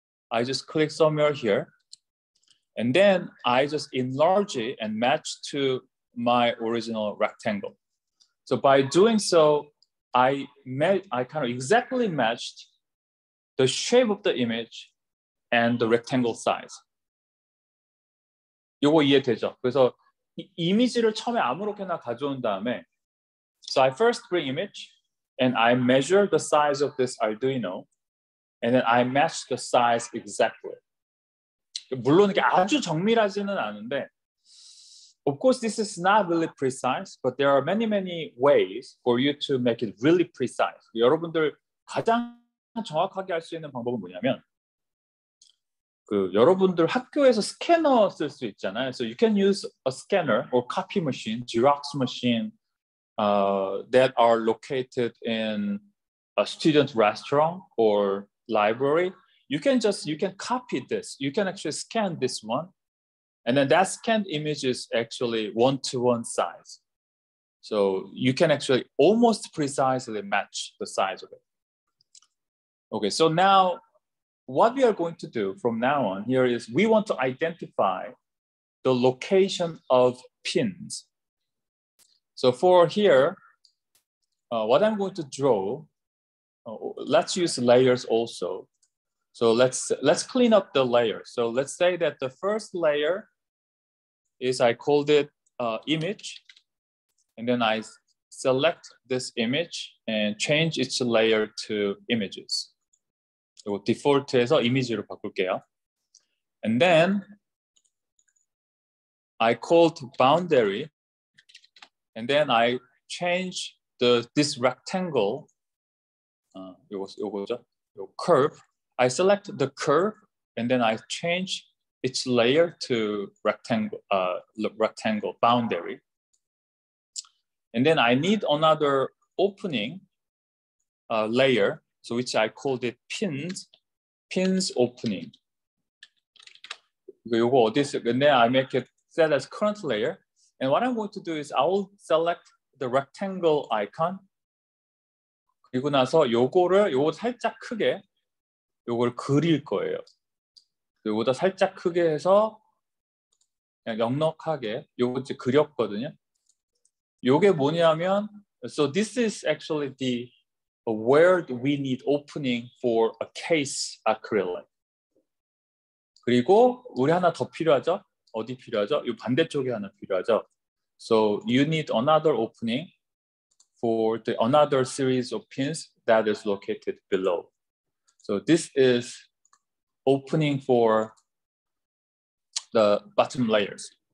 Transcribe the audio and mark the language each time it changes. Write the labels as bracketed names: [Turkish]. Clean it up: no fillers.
[English] I just click somewhere here, and then I just enlarge it and match to my original rectangle. So by doing so, I kind of exactly matched the shape of the image and the rectangle size. [Korean] 요거 이해되죠? 그래서 이미지를 처음에 아무렇게나 가져온 다음에 [English] So I first bring image and I measure the size of this Arduino and then I match the size exactly. [Korean] 물론 이게 아주 정밀하지는 않은데 [English] of course this is not really precise but there are many many ways for you to make it really precise. [Korean] 여러분들 가장 정확하게 할 수 있는 방법은 뭐냐면 그 여러분들 학교에서 스캐너 쓸 수 있잖아요. [English] So you can use a scanner or copy machine, Xerox machine that are located in a student restaurant or library. You can copy this. You can actually scan this one. And then that scanned image is actually one-to-one size. So you can actually almost precisely match the size of it. Okay, so now what we are going to do from now on here is we want to identify the location of pins. So for here, what I'm going to draw, let's use layers also. So let's clean up the layer. So let's say that the first layer is, I called it image. And then I select this image and change its layer to images. [Korean] 이거 디폴트에서 이미지로 바꿀게요. [English] And then I called boundary. And then I change this rectangle. [Korean] 이거죠? [English] Curve. I select the curve and then I change its layer to rectangle boundary. And then I need another opening layer, so which I called it pins opening. [Korean] 요거 어디서 근데 [English] I make it set as current layer. And what I'm going to do is I will select the rectangle icon. [Korean] 그리고 나서 요거 살짝 크게 요걸 그릴 거예요. 요거보다 살짝 크게 해서 그냥 넉넉하게 요거 이제 그렸거든요. 요게 뭐냐면 [English] so this is actually the where we need opening for a case acrylic. [Korean] 그리고 우리 하나 더 필요하죠? 어디 필요하죠? 요 반대쪽에 하나 필요하죠. [English] So you need another opening for the another series of pins that is located below. So this is opening for the bottom layers.